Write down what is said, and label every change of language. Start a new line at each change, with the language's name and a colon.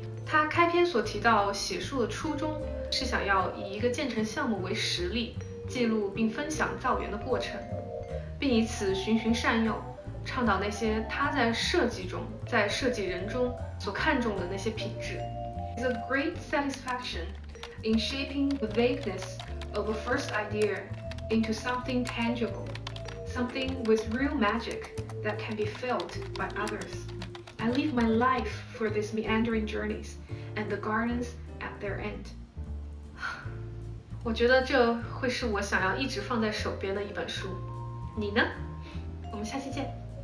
Chinese: 他开篇所提到写书的初衷是想要以一个建成项目为实例，记录并分享造园的过程，并以此循循善诱，倡导那些他在设计中，在设计人中所看重的那些品质。
English: It's a great satisfaction in shaping the vagueness of a first idea into something tangible, something with real magic that can be felt by others. I leave my life for these meandering journeys and the gardens at their end.
Chinese: 我觉得这会是我想要一直放在手边的一本书。你呢？我们下期见。